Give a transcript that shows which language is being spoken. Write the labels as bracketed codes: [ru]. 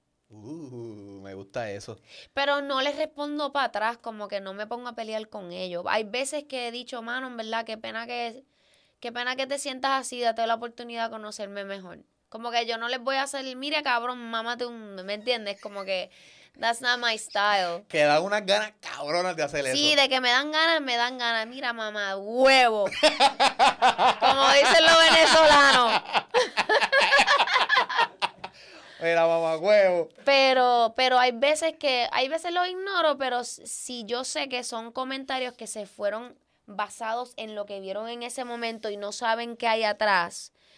[es] Me gusta eso. Pero no les respondo para atrás, como que no me pongo a pelear con ellos. Hay veces que he dicho, mano, en verdad, qué pena que te sientas así, date la oportunidad de conocerme mejor. Como que yo no les voy a hacer, mire, cabrón, mámate un, ¿me entiendes? Como que, [en] that's not my style. [es] Que da unas ganas cabronas de hacer sí, eso. Sí, de que me dan ganas, mira, mamá, huevo. Como dicen los venezolanos. Mira, mamá, huevo. Pero hay veces que, hay veces los ignoro, pero si yo sé que son comentarios que se fueron basados en lo que vieron en ese momento y no saben qué hay atrás.